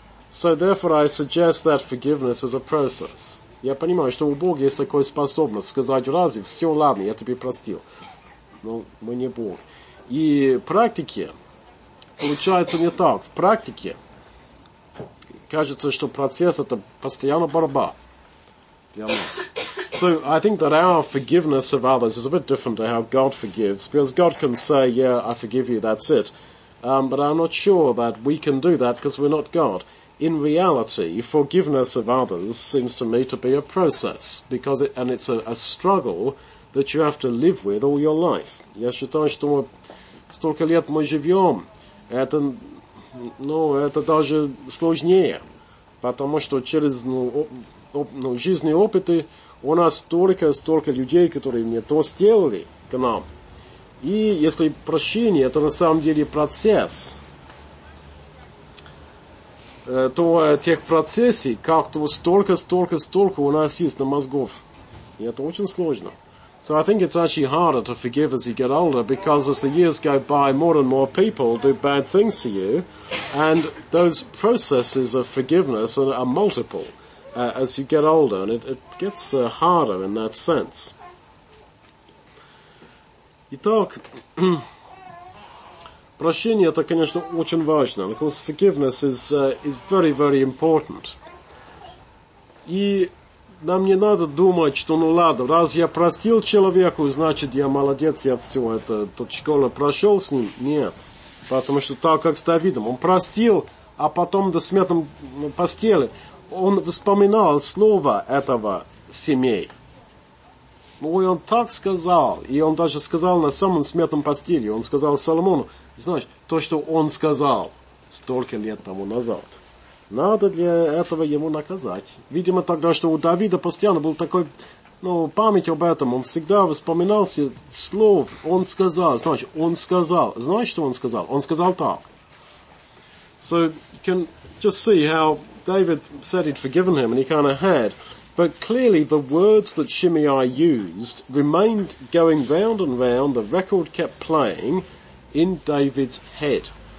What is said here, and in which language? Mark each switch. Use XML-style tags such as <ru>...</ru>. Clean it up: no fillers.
<en>So therefore, I suggest that forgiveness is a process.</en> <ru>Я понимаю, что у Бога есть такая способность сказать разве, все, ладно, я тебе простил. Но мы не Бог. И практики получается не так. В практике кажется, что процесс – это постоянная борьба для нас.</ru> <en>So I think that our forgiveness of others is a bit different to how God forgives, because God can say, yeah, I forgive you, that's it. But I'm not sure that we can do that because we're not God. In reality, forgiveness of others seems to me to be a process, because it's a struggle that you have to live with all your life.</en> <ru>Я считаю, что столько лет мы живем, это, ну, это даже сложнее, потому что через, ну, жизненные опыты у нас столько людей, которые мне то сделали к нам. И если прощение – это на самом деле процесс, то тех процессов как-то столько у нас есть на мозгов. И это очень сложно.</ru> <en>So I think it's actually harder to forgive as you get older, because as the years go by, more and more people do bad things to you, and those processes of forgiveness are multiple as you get older, and it gets harder in that sense.</en> <ru>Итак, прощение – это, конечно, очень важно.</ru> <en>Of course, forgiveness is very, very important.</en> <ru>И нам не надо думать, что, ну ладно, раз я простил человеку, значит, я молодец, я все это, тот школу прошел с ним. Нет. Потому что так, как с Давидом, он простил, а потом до смертной постели он вспоминал слово этого семей. Ой, он так сказал, и он даже сказал на самом смертном постели, он сказал Соломону, знаешь, то, что он сказал столько лет тому назад. Надо для этого ему наказать. Видимо, тогда, что у Давида постоянно был такой, ну, память об этом. Он всегда вспоминался слов. Он сказал. Значит, он сказал. Знаешь, что он сказал? Он сказал так.</ru> <en>So, you can just see how David said he'd forgiven him, and he kind of had. But clearly, the words that Shimei used remained going round and round. The record kept playing in David's head.</en>